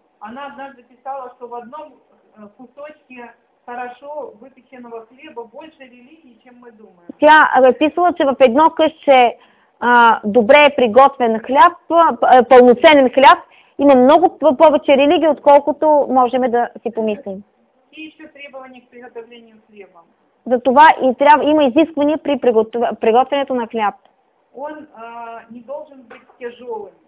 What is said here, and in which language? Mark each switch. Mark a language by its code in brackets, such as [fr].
[ru] Она однажды писала, что в одном кусочке хорошо выпеченного хлеба больше религии, чем мы думаем. [bg] Тя писала, че в едно късче добре е приготвен хляб, пълноценен хляб, има много повече религии, отколкото можем да си помислим. [ru] И еще требования к приготовлению хлеба. [bg] Затова и трябва, има изисквания при приготвянето на хляб. [ru] Он не должен быть тяжелым.